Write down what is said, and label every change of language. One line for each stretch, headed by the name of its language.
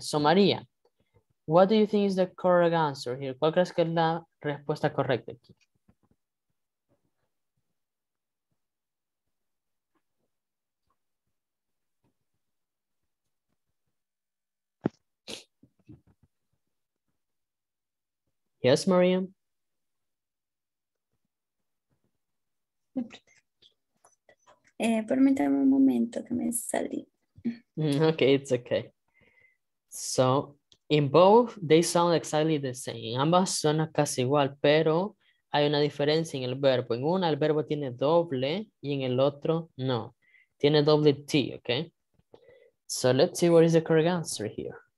English: So María, what do you think is the correct answer here?
Spanish: ¿Cuál crees que es la respuesta correcta aquí?
English: Yes, Mariam.
Spanish: Permítame un momento que me salí.
English: Okay, it's okay. So, in both, they sound exactly the same.
Spanish: En ambas suena casi igual, pero hay una diferencia en el verbo. En una, el verbo tiene doble y en el otro, no. Tiene doble T, okay?
English: So, let's see what is the correct answer here.